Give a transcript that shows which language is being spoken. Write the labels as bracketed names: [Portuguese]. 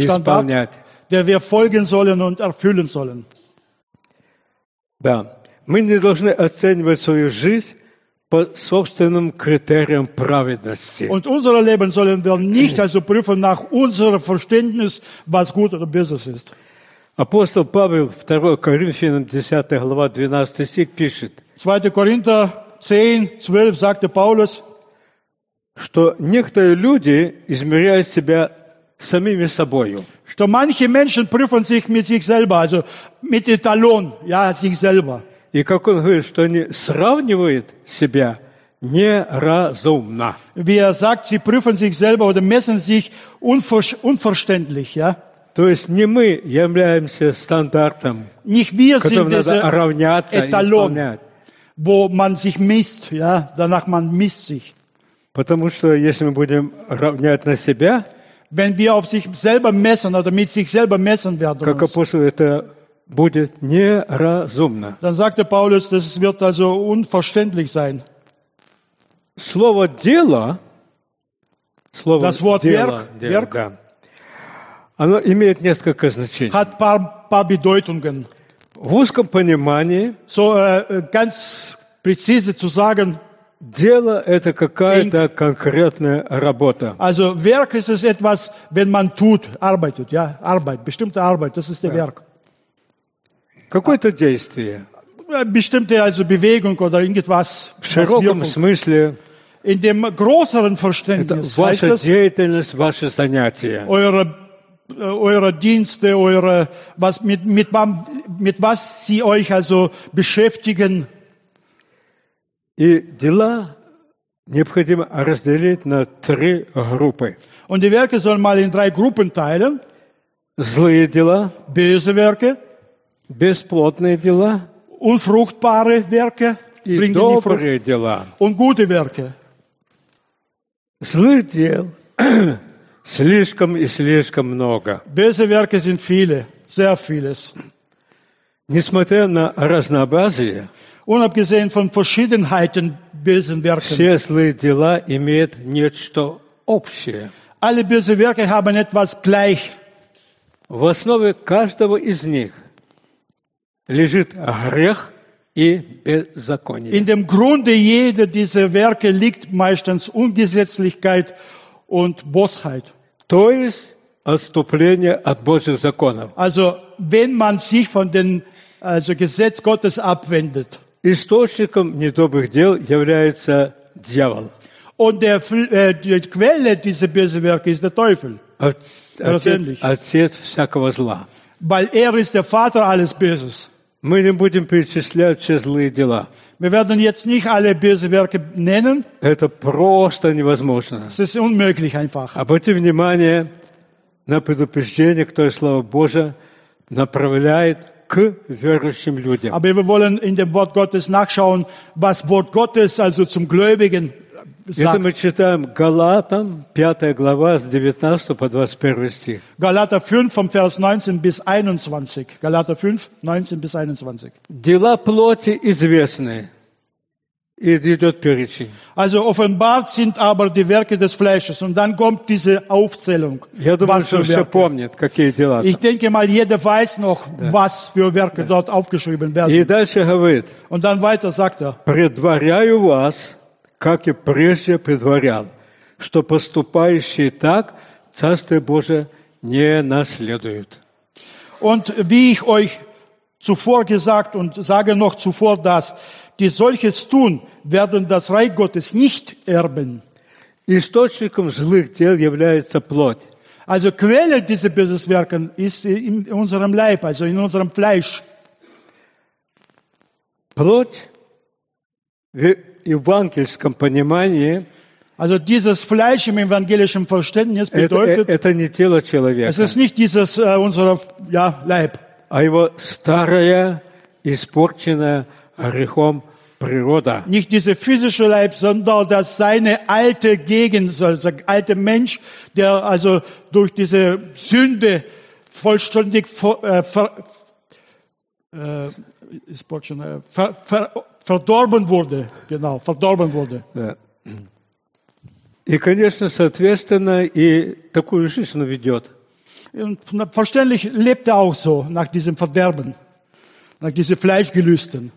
[Russian] стандарт, исполнять. [German] Der wir folgen sollen und erfüllen sollen. [Russian] Да, мы не должны оценивать свою жизнь по собственным критериям праведности. [German] Und unser Leben sollen wir nicht also prüfen nach unserem Verständnis, was gut oder böse ist. [Russian] Апостол Павел 2 Коринфянам 10 глава 12 стих пишет. [German] 2 Коринфянам 10, 12 sagte Paulus, [Russian] что некоторые люди измеряют себя самими собою. [German] Что manche Menschen prüfen sich mit sich selber, also mit Etalon, ja, sich selber. [Russian] И как он говорит, что они сравнивают себя неразумно. [German] Wie sagt, sie prüfen sich selber oder messen sich unverständlich, ja. [Russian] То есть не мы являемся стандартом, [German] Nicht wir [Russian] которым [German] sind [Russian] надо равняться [German] Etalon, [Russian] и исполнять. [German] Wo man sich misst, ja, danach man misst sich. [Russian] Потому что если мы будем равнять на себя, [German] Wenn wir auf sich selber messen oder mit sich selber messen werden, [Russian] как апостол, это будет неразумно. [German] Dann sagte Paulus, das wird also unverständlich sein. [Russian] Слово дело, [German] das Wort [Russian] дело, [German] Werk, [Russian] дело, [German] Werk [Russian] да. Оно имеет несколько значений. [German] Hat paar Bedeutungen. [Russian] В узком понимании, [German] so, ganz präzise zu sagen, [Russian] дело – это какая-то конкретная работа. [German] Also, Werk ist es etwas, wenn man tut, arbeitet, ja, Arbeit, bestimmte Arbeit, das ist der Werk. [Russian] Какое-то действие. [German] Bestimmte, also Bewegung oder irgendwas. [Russian] В широком смысле. [German] In dem größeren Verständnis. [Russian] Это ваша деятельность, ваше занятие. [German] Eure Dienste, eure, was, mit was Sie euch also beschäftigen. [Russian] И дела необходимо разделить на три группы. [German] Und die Werke soll man in drei Gruppen teilen. [Russian] Злые дела. [German] Böse Werke. [Russian] Бесплодные дела. [German] Unfruchtbare Werke. [Russian] И добрые дела. [German] Und gute Werke. [Russian] Злых дел слишком и слишком много. [German] Böse Werke sind viele, sehr vieles. [Russian] Несмотря на разнообразие, [German] unabgesehen von Verschiedenheiten bösen Werken, [Russian] все злые дела имеют нечто общее. [German] Alle böse Werke haben etwas gleich. [Russian] В основе каждого из них лежит грех и беззаконие. [German] In dem Grunde jeder dieser Werke liegt meistens Ungesetzlichkeit und Bosheit. [Russian] То есть отступление от Божьих законов. [German] Also, wenn man sich von den, also, Gesetz Gottes abwendet. [Russian] Источником недобрых дел является дьявол. [German] Und die Quelle dieser bösen Werke ist der Teufel. [Russian] Отец всякого зла. [German] Weil ist der Vater alles Böses. [Russian] Мы не будем перечислять все злые дела. [German] Wir werden jetzt nicht alle bösen Werke nennen. [Russian] Это просто невозможно. [German] Es ist unmöglich einfach. [Russian] Обратите внимание на предупреждение, которое Слово Божие направляет к верующим людям. [German] Aber wir wollen in dem Wort Gottes nachschauen, was Wort Gottes also zum Gläubigen sagt. [Russian] Это мы читаем Галатам, 5 глава, с 19 по 21 стих. [German] Галата 5, vom Vers 19 bis 21. Галата 5, 19 bis 21. [Russian] Дела плоти известны. И идет перечень. [German] Also offenbart sind aber die Werke des Fleisches. Und dann kommt diese Aufzählung. [Russian] Я думаю, что все помнят, какие дела. [German] Ich denke mal, jeder weiß noch, was für Werke dort aufgeschrieben werden. [Russian] И дальше говорит. [German] Und dann weiter sagt er. [Russian] Предваряю вас, как и прежде предварял, что поступающие так Царствие Божие не наследуют. [German] Und wie ich euch zuvor gesagt und sage noch zuvor das, die solches tun, werden das Reich Gottes nicht erben. [Russian] Источником злых дел является плоть. [German] Also Quelle dieser bösen Werke ist in unserem Leib, also in unserem Fleisch. [Russian] Плоть в евангельском понимании, [German] also dieses Fleisch im evangelischen Verständnis bedeutet, [Russian] это не тело человека. [German] Es ist nicht dieses unser ja, Leib. [Russian] А его старая, испорченная грехом природа. [German] Nicht dieser physische Leib, sondern das seine alte Gegend, also alte Mensch, der also durch diese Sünde vollständig verdorben wurde. Genau, verdorben wurde. [Russian] И, конечно, соответственно, и такую жизнь ведет. [German] Und verständlich lebt auch so nach diesem Verderben, nach diesen Fleischgelüsten.